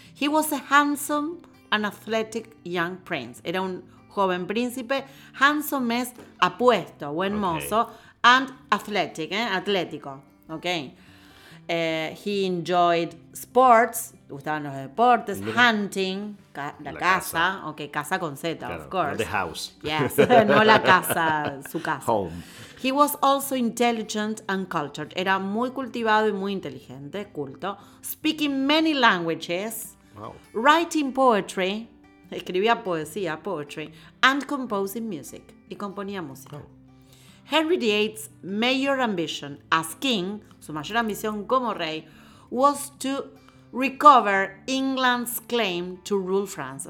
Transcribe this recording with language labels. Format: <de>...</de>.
<en>He was a handsome and athletic young prince.</en> <es>Era un joven príncipe. Handsome es apuesto, buen mozo, and athletic, atlético. Okay.</es> <en>He enjoyed sports,</en> <es>gustaban los deportes, hunting, la casa. Okay, casa con Z, claro,</es> <en>of course. The house.</en> <es>Yes, no la casa, su casa.</es> <en>Home. He was also intelligent and cultured.</en> <es>Era muy cultivado y muy inteligente, culto.</es> <en>Speaking many languages. Wow. Writing poetry,</en> <es>escribía poesía,</es> <en>poetry, and composing music.</en> <es>Y componía música. Oh.</es> <en>Henry VIII's major ambition as king,</en> <es>su mayor ambición como rey,</es> <en>was to recover England's claim to rule France.</en>